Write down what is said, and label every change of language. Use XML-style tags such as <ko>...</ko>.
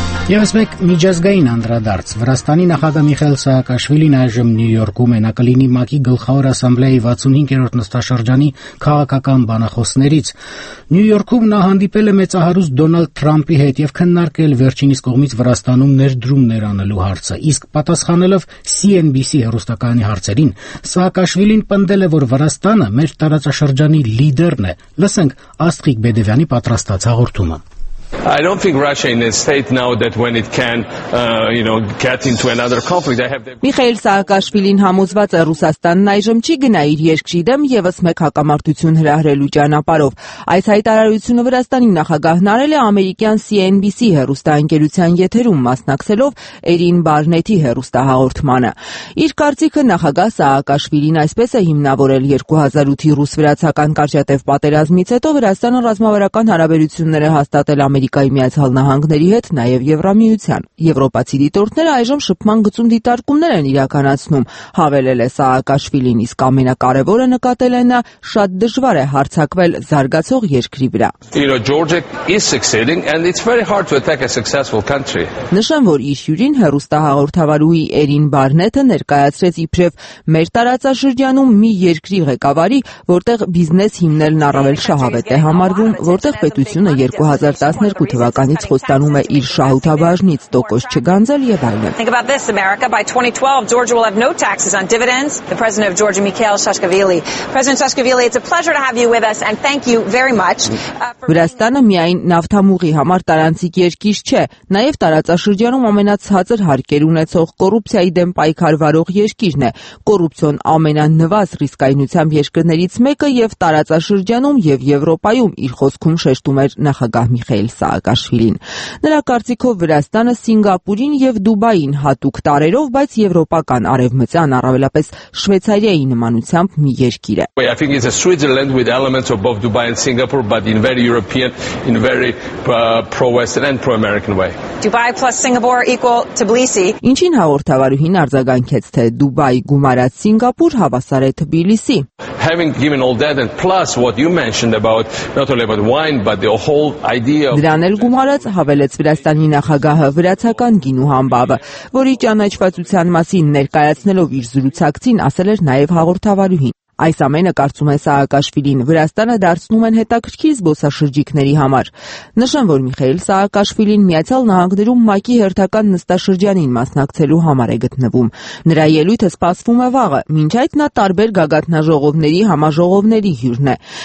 <hy>Եվս մեկ միջազգային անդրադարձ։ Վրաստանի նախագահ Միխայել Սաակաշվիլին այժմ Նյու Յորքում է, նա կլինի ՄԱԿ-ի գլխավոր ասամբլեայի 65-րդ նստաշրջանի քաղաքական բանախոսներից։ Նյու Յորքում նա հանդիպել է մեծահարուստ Դոնալդ Թրամփի հետ եւ քննարկել վերջինիս կողմից Վրաստանում ներդրում ներանելու հարցը։ Իսկ պատասխանելով CNBC հեռուստակայանի հարցերին, Սաակաշվիլին պնդել է, որ Վրաստանը մեր տարածաշրջանի լիդերն է։ Լսենք Աստղիկ Բեդևյանի պատրաստած հաղորդումը։</hy> <en>I don't think Russia in a state now that when it can get into another conflict they have their</en> <hy>Միխայել Սաակաշվիլին համոզված է Ռուսաստանն այժմ չի գնա իր երկրի դեմ եւս մեկ հակամարտություն հրահրելու ճանապարով։ Այս հայտարարությունը Վրաստանի նախագահն արել է ամերիկյան CNBC հեռուստաընկերության եթերում մասնակցելով Էրին Բարնետի հեռուստահաղորդմանը։ Իր կարծիքը նախագահ Սաակաշվիլին այսպես է հիմնավորել 2008-ի ռուս-վրացական կարճատև պատերազմից հետո Վրաստանը ռազմավարական հարաբերությունները հաստատել Ամերիկայի Միացյալ Նահանգների հետ, նաև Եվրամիության։ Եվրոպացի դիտորդները այժմ շփման գծում դիտարկումներ են իրականացնում, հավելել է Սաակաշվիլին, իսկ ամենակարևորը նկատել է նա, շատ դժվար է հարձակվել զարգացող երկրի վրա։ Նշեմ, որ իր հյուրին հեռուստահաղորդավարուհի Էրին Բարնետը ներկայացրեց իբրև մեր տարածաշրջանում մի երկրի ղեկավարի, որտեղ բիզնես հիմնելն առավել շահավետ է համարվում, որտեղ պետությունը 2012 թվականից խոստանում է իր շահութաբաժնից տոկոս չգանձել եւ այլն։</hy> <en>Think about this, America. By 2012, Georgia will have no taxes on dividends. The president of Georgia, Mikhail Saakashvili. President Saakashvili, it's a pleasure to have you with us and thank you very much.</en> <hy>Վրաստանը միայն նավթամուղի համար տարածիկ երկիր չէ, նաեւ տարածաշրջանում ամենացածր հարկեր ունեցող կոռուպցիայի դեմ պայքարվարող երկիրն է։ Կոռուպցիոն ամենանվազ ռիսկայինությամբ երկրներից մեկը եւ տարածաշրջանում եւ Եվրոպայում իր խոսքում շեշտում էր նախագահ Միխայել Սաակաշվիլին։ Նրա կարծիքով Վրաստանը Սինգապուրին եւ Դուբային հատուկ տարերով, բայց եվրոպական արևմտյան, առավելապես Շվեյցարիայի նմանությամբ մի երկիր է։</hy> <en>I think it's a Switzerland with elements of both Dubai and Singapore, but in very European, in very pro-Western and pro-American way. Dubai plus Singapore equal Tbilisi.</en> <hy>Ինչին հաղորդավարուհին արձագանքեց, թե Դուբայ գումարած Սինգապուր հավասար է Թբիլիսի։</hy> <en>Having given all that and plus what you mentioned about not only about wine but the whole idea of</en> <hy>Դրան էլ գումարած հավելեց Վրաստանի նախագահը վրացական գինու համբավը, որի ճանաչվածության մասին ներկայացնելով իր զրուցակցին ասել էր նաև հաղորդավարուհին. Այս ամենը, կարծում է Սաակաշվիլին, Վրաստանը դարձնում են հետաքրքիր զբոսաշրջիկների համար։ Նշեմ, որ Միխայել Սաակաշվիլին Միացյալ Նահանգներում ՄԱԿ-ի հերթական նստաշրջանին մասնակցելու համար է գտնվում։ Նրա ելույթը սպասվում է վաղը, մինչ այդ նա տարբեր գագաթնաժողովների համաժողովների հյուրն է։</hy>